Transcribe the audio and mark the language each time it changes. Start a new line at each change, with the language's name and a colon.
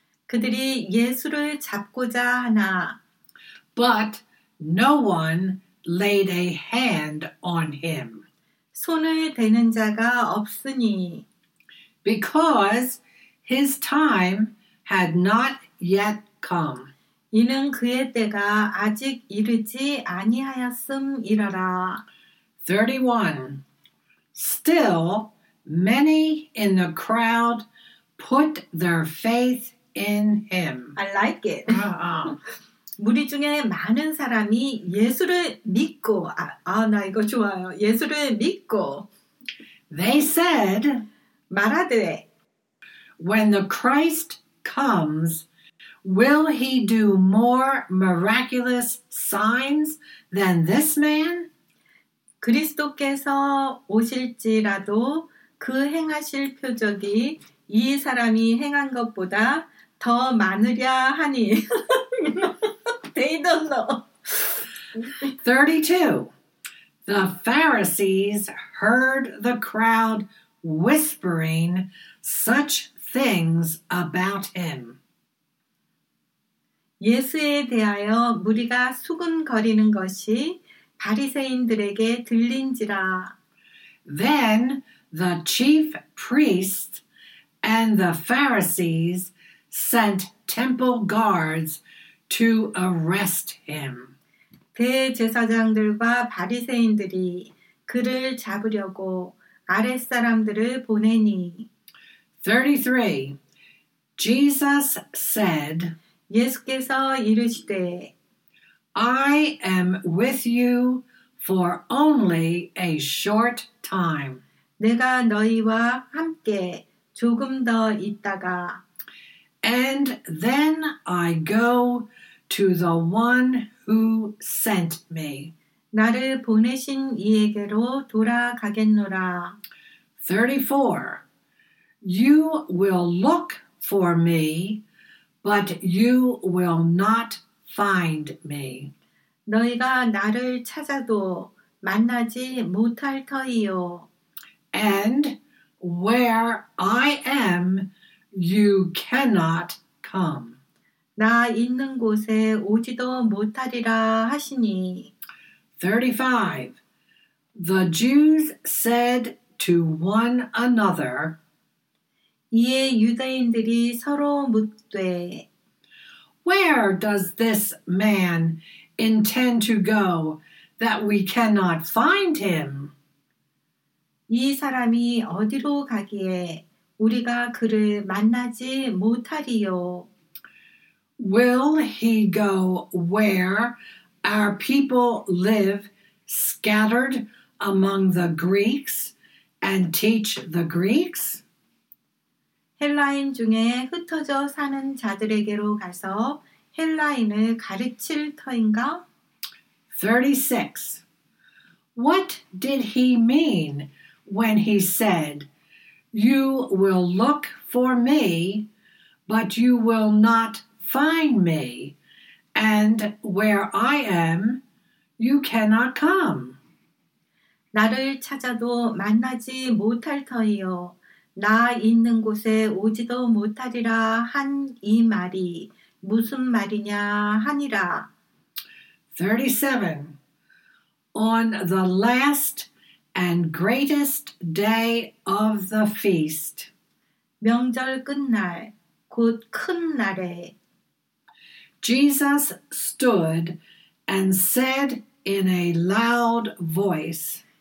Korean: 그들이 예수를 잡고자 하나.
English: But no one laid a hand on him.
Korean: 손을 대는 자가 없으니.
English: Because his time had not yet come.
Korean: 이는 그의 때가 아직 이르지 아니하였음이라라.
English: 31. Still, many in the crowd put their faith in him. I like it.
Korean: 무리 중에 많은 사람이 예수를 믿고, 나 이거 좋아요. 예수를 믿고.
English: They said,
Korean: 말하되,
English: When the Christ comes, will he do more miraculous signs than this man?
Korean: 그리스도께서 오실지라도 그 행하실 표적이 이 사람이 행한 것보다 더 많으랴 하니.
English: They don't know. 32. The Pharisees heard the crowd whispering such things about him.
Korean: 예수에 대하여 무리가 수군거리는 것이 바리새인들에게 들린지라.
English: Then the chief priests and the Pharisees sent temple guards to arrest him.
Korean: 대제사장들과 바리새인들이 그를 잡으려고 아랫사람들을 보내니.
English: 33. Jesus said,
Korean: 예수께서 이르시되,
English: I am with you for only a short time.
Korean: 내가 너희와 함께 조금 더 있다가,
English: And then I go to the one who sent me.
Korean: 나를 보내신 이에게로 돌아가겠노라.
English: 34. You will look for me, but you will not find me.
Korean: 너희가 나를 찾아도 만나지 못할 터이요.
English: And where I am, you cannot come.
Korean: 나 있는 곳에 오지도 못하리라 하시니.
English: 35. The Jews said to one another,
Korean: 이에 유대인들이 서로 묻되
English: Where does this man intend to go that we cannot find him?
Korean: 이 사람이 어디로 가기에 우리가 그를 만나지 못하리요?
English: Will he go where our people live scattered among the Greeks and teach the Greeks?
Korean: 헬라인 중에 흩어져 사는 자들에게로 가서 헬라인을 가르칠 터인가?
English: 36. What did he mean when he said, You will look for me, but you will not find me, and where I am, you cannot come?
Korean: 나를 찾아도 만나지 못할 터이요. 나 있는 곳에 오지도 못하리라 한 이 말이 무슨 말이냐 하니라.
English: 37. On the last and greatest day of the feast.
Korean: 명절 끝날, 곧 큰 날에.
English: Jesus stood and said in a loud voice.